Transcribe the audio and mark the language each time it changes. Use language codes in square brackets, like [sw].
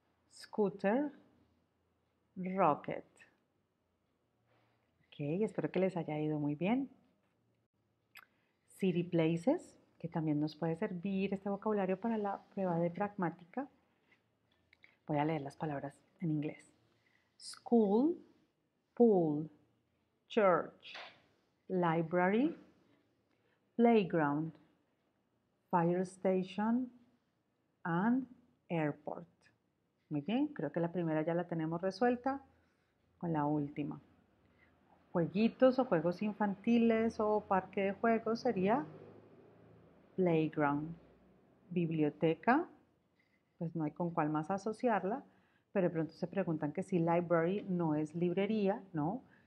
[en] Scooter. Rocket. [es] Okay, espero que les haya ido muy bien. City Places, que también nos puede servir este vocabulario para la prueba de pragmática. Voy a leer las palabras en inglés. [en] School, pool, church, library, playground, fire station and airport. [es] Muy bien, creo que la primera ya la tenemos resuelta con la última. Jueguitos o juegos infantiles o parque de juegos sería playground. Biblioteca, pues no hay con cuál más asociarla, pero de pronto se preguntan que si library no es librería, ¿no?